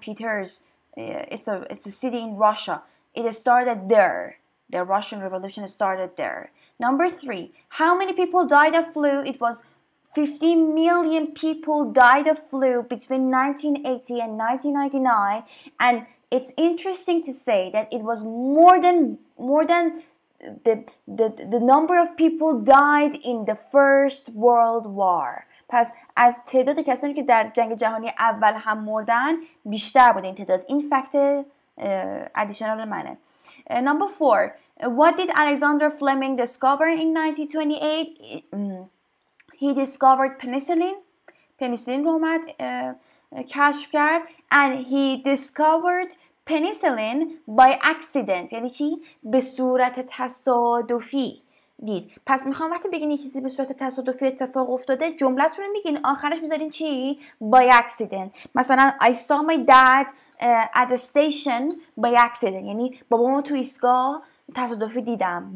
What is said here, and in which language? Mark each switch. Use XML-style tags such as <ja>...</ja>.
<en>Peter's it's a city in Russia it started there the Russian Revolution started there number 3 how many people died of flu it was 50 million people died of flu between 1980 and 1999 and it's interesting to say that it was more than the number of people died in the First World War.</en> <fa>پس از تعداد کسانی که در جنگ جهانی اول هم مردن بیشتر بوده این تعداد. این فکت ادیشنال منه.</fa> <en>Number four, what did Alexander Fleming discover in 1928? He discovered penicillin.</en> <fa>Penicillin رو اومد کشف کرد.</fa> <en>And he discovered penicillin by accident.</en> <fa>یعنی چی؟ به صورت تصادفی. دید. پس میخوام وقتی بگین یه چیزی به صورت تصادفی اتفاق افتاده جملتون رو میگین آخرش میذارین چی؟</fa> <en>by accident.</en> <fa>مثلا</fa> <en>I saw my dad at the station by accident.</en> <fa>یعنی بابام تو ایستگاه تصادفی دیدم.</fa>